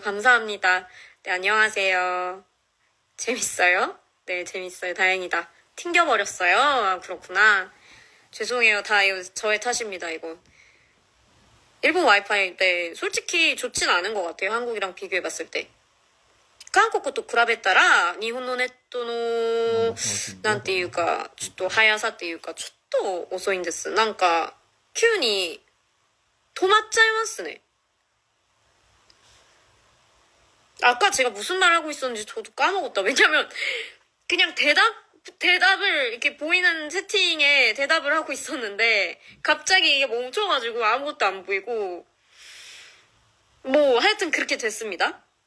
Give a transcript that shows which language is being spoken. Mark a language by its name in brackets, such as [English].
[Korean] 감사합니다. 네, 안녕하세요. 재밌어요? 네, 재밌어요. 다행이다. 튕겨버렸어요? 아, 그렇구나. 죄송해요. 다 이거 저의 탓입니다, 이거. 일본 와이파이, 네, 솔직히 좋진 않은 것 같아요. 한국이랑 비교해봤을 때. 한국 것도 [Japanese] 比べたら, 日本のネットの、なんていうか、ちょっと速さっていうか、ちょっと遅いんです。なんか、急に止まっちゃいますね。 [Korean] 아까 제가 무슨 말 하고 있었는지 저도 까먹었다. 왜냐면 그냥 대답을 이렇게 보이는 채팅에 대답을 하고 있었는데 갑자기 이게 멈춰가지고 아무것도 안 보이고 뭐 하여튼 그렇게 됐습니다.